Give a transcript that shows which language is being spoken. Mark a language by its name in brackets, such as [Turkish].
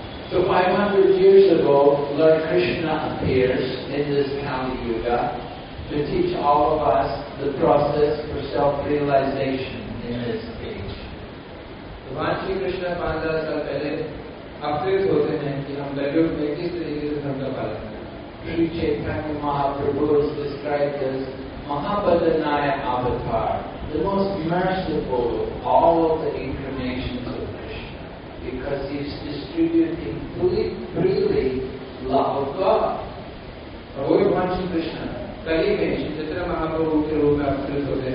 [English] So 500 years ago, Lord Krishna appears in this Kali Yuga to teach all of us the process for self-realization in this age. [Hindi] भगवान श्री कृष्ण 5000 साल पहले अवतरित होते हैं कि हम कलयुग में किस तरीके से धर्म का पालन करें. [English] Shri Chaitanya Mahaprabhu is described as Mahavadanya avatar, the most merciful of all of the incarnations. Because he is distributing freely love of God. [Hindi] और वो भगवान श्री कृष्ण कली में चैतन्य महाप्रभु के रूप में अवतरित